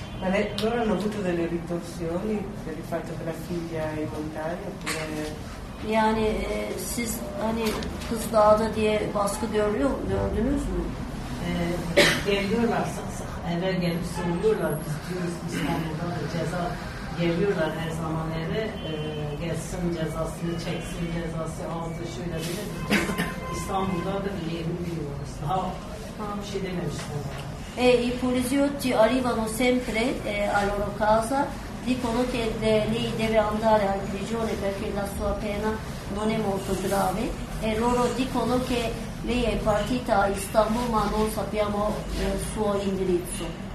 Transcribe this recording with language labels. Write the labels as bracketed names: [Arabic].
[Italian] Ma loro hanno avuto delle ritorsioni per il fatto che la figlia è volontaria oppure. [Turkish] Yani siz hani kız dağda diye baskı gördünüz mü? Geliyorlar sık eve gelip soruyorlar biz diyoruz İstanbul'da da ceza geliyorlar her zaman eve gelsin cezasını çeksin cezası aldı şöyle böyle İstanbul'da da bir yerini biliyoruz daha bir şey dememişler. [Italian] I poliziotti arrivano sempre a loro casa. Dicono che lei deve andare in prigione perché la sua pena non è molto grave e loro dicono che lei è partita a Istanbul ma non sappiamo il suo indirizzo.